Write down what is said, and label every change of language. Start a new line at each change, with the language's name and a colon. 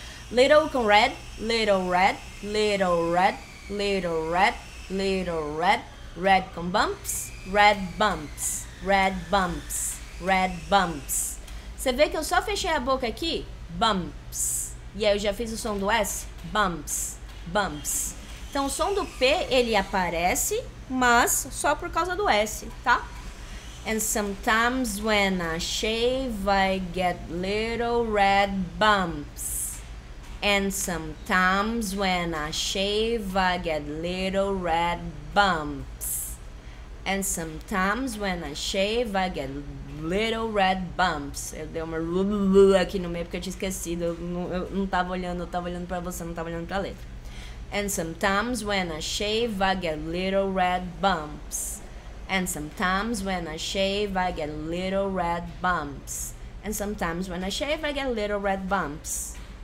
English: Little com red, little red, little red, little red, little red, red com bumps, red bumps, red bumps, red bumps.
Portuguese: Você vê que eu só fechei a boca aqui, bumps. E aí eu já fiz o som do S, bumps, bumps. Então o som do P ele aparece, mas só por causa do S, tá?
English: And sometimes when I shave, I get little red bumps. And sometimes when I shave, I get little red bumps. And sometimes when I shave, I get little red bumps.
Portuguese: Eu dei uma aqui no meio porque eu tinha esquecido. Eu não tava olhando, eu tava olhando pra você, não tava olhando pra letra.
English: And sometimes when I shave, I get little red bumps. And sometimes when I shave, I get little red bumps. And sometimes when I shave, I get little red bumps.